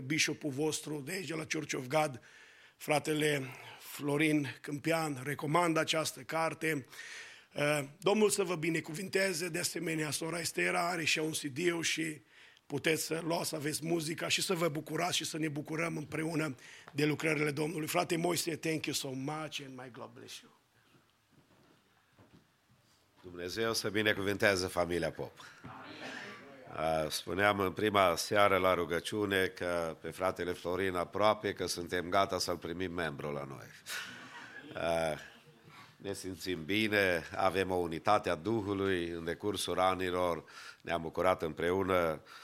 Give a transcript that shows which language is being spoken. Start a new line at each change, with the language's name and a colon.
Romanian: Bishopul vostru de aici, de la Church of God, fratele Florin Câmpian, recomand această carte. Domnul să vă binecuvinteze, de asemenea, sora Estera are și un CD-ul și puteți să luați, să aveți muzica și să vă bucurați și să ne bucurăm împreună de lucrările Domnului. Frate Moise,
English: thank you so much and my God bless you.
Romanian: Dumnezeu să binecuvinteze familia Pop. Spuneam în prima seară la rugăciune că pe fratele Florin aproape că suntem gata să-l primim membru la noi. Ne simțim bine, avem o unitate a Duhului în decursul anilor, ne-am bucurat împreună.